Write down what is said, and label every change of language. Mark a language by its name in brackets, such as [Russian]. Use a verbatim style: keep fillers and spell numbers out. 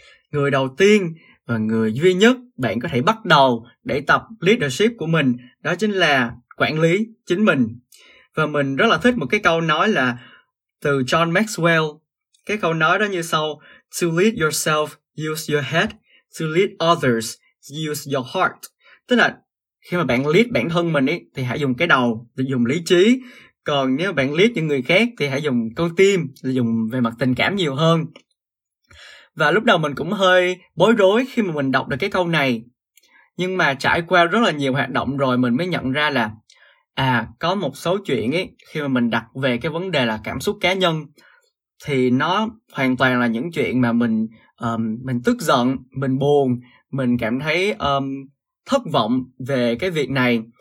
[Vietnamese] Người đầu tiên và người duy nhất bạn có thể bắt đầu để tập leadership của mình, đó chính là quản lý chính mình. Và mình rất là thích một cái câu nói là từ John Maxwell. Cái câu nói đó như sau: [English] To lead yourself, use your head. to lead others, use your heart. [Vietnamese] Tức là khi mà bạn lead bản thân mình ấy, thì hãy dùng cái đầu, thì dùng lý trí. Còn nếu bạn lead những người khác thì hãy dùng con tim, thì dùng về mặt tình cảm nhiều hơn. Và lúc đầu mình cũng hơi bối rối khi mà mình đọc được cái câu này. Nhưng mà trải qua rất là nhiều hoạt động rồi mình mới nhận ra là à, có một số chuyện ấy, khi mà mình đặt về cái vấn đề là cảm xúc cá nhân thì nó hoàn toàn là những chuyện mà mình um, mình tức giận, mình buồn, mình cảm thấy um, thất vọng về cái việc này.